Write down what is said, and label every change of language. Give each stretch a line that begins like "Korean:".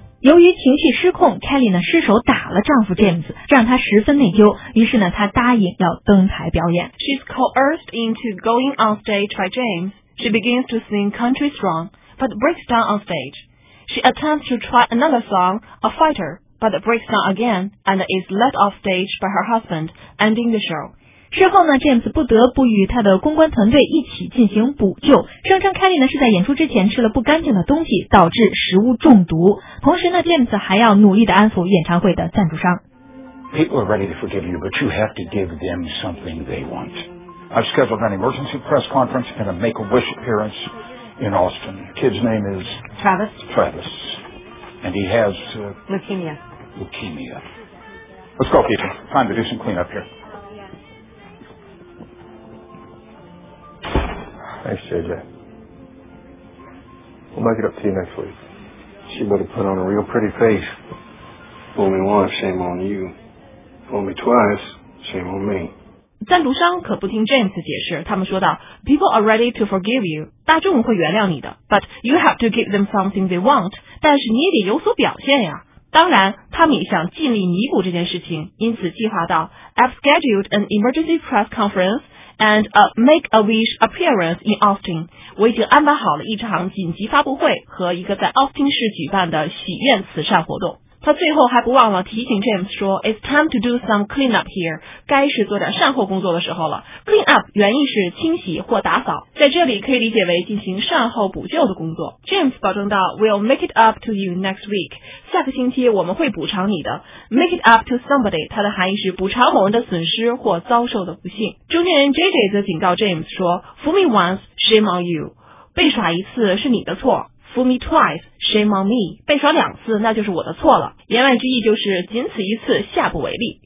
Chinese: 由于情绪失控， Kelly 呢失手打了丈夫 James， 让他十分内疚，于是呢他答应要登台表演。
English: She's coerced into going on stage by James. She begins to sing Country Strong, but breaks down on stage. She attempts to try another song, A Fighter, but breaks down again and is let off stage by her husband, ending the show.
Chinese: 事后呢， James 不得不与他的公关团队一起进行补救，声称 Kelly 呢是在演出之前吃了不干净的东西导致食物中毒。同时呢， James 还要努力的安抚演唱会的赞助商。
English: People are ready to forgive you, but you have to give them something they want. I've scheduled an emergency press conference and a make-a-wish appearance in Austin. Kid's name is Travis, and he has leukemia. Let's go, Peter, time to do some cleanup here Thanks, JJ. We'll make it up to you next week. She better put on a real pretty face. Fool me once, shame on you. Fool me twice, shame on me.
Chinese: 赞助商可不听 James 解释，他们说道 ,
English: People are ready to forgive you.
Chinese: 大众会原谅你的。
English: But you have to give them something they want.
Chinese: 但是你也得有所表现呀。当然他们也想尽力弥补这件事情，因此计划到
English: I've scheduled an emergency press conference. And a make-a-wish appearance in Austin.
Chinese: 我已经安排好了一场紧急发布会和一个在 Austin 市举办的许愿慈善活动。他最后还不忘了提醒 James 说
English: It's time to do some cleanup here.
Chinese: 该是做点善后工作的时候了。 Clean up 原意是清洗或打扫，在这里可以理解为进行善后补救的工作。 James 保证到
English: We'll make it up to you next week.
Chinese: 下个星期我们会补偿你的。
English: Make it up to somebody
Chinese: 它的含义是补偿某人的损失或遭受的不幸。中间人 JJ 则警告 James 说
English: Fool me once, shame on you.
Chinese: 被耍一次是你的错。
English: Fool me twice, shame on me.
Chinese: 被耍两次，那就是我的错了。言外之意就是仅此一次，下不为例。